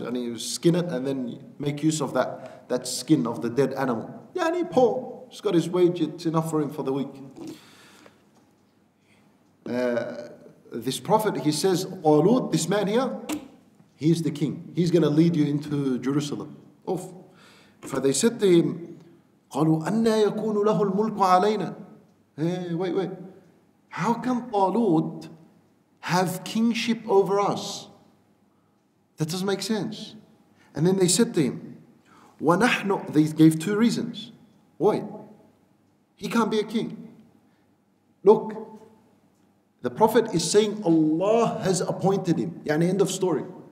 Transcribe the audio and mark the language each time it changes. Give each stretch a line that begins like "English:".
English: And he would skin it and then make use of that skin of the dead animal. Yeah, and he poor. He's got his wage, it's enough for him for the week. This prophet, he says, Talut, this man here, he's the king. He's going to lead you into Jerusalem. Off. For they said to him,
Arabic: قَالُوا أَنَّا يَكُونُ لَهُ الْمُلْكُ عَلَيْنَا.
English: Wait. How can Talut have kingship over us? That doesn't make sense. And then they said to him, وَنَحْنُ, they gave two reasons. Why? He can't be a king. Look, the Prophet is saying Allah has appointed him. Yani end of story.